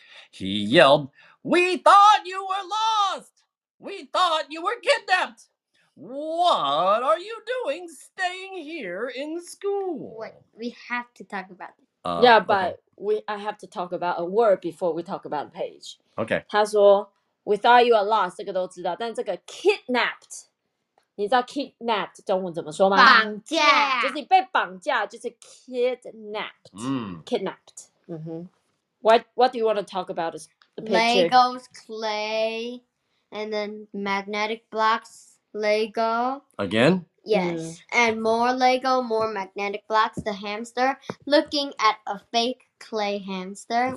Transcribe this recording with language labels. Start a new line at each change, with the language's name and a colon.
English: He yelled, We thought you were lost! We thought you were kidnapped! What are you doing staying here in school? Wait, we have to talk about it. I have to talk about a word before we talk about Paige. Okay.
Chinese: 他说
English: we thought you were lost,
Chinese: 这个都知道但这个 kidnapped, 你知道 kidnapped 中文怎么说吗绑架。就是你被绑架就是
English: kidnapped.、Kidnapped.、What do you want to talk about is the picture? Legos, clay, and then magnetic blocks. Lego again yes、and more Lego more magnetic blocks the hamster looking at a fake clay hamster